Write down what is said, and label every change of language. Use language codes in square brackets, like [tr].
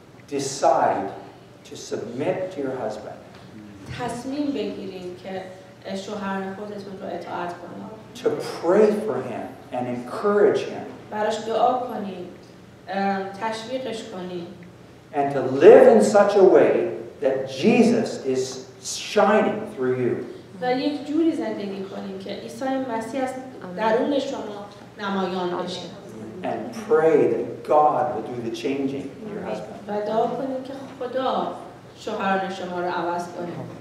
[en] decide to submit to your husband. [fa] تصمیم بگیرین که شوهر خودتون رو اطاعت کنین. [en] To pray for him and encourage him. [fa] براش دعا کنین. تشویقش کنین. [en] And to live in such a way that Jesus is shining through you. [fa] و یک جوری زندگی کنین که عیسی مسیح از درون شما نمایان بشه. [en] And pray that God will do the changing in your husband. [fa] و دعا کنین که خدا شوهران شما رو عوض کنه.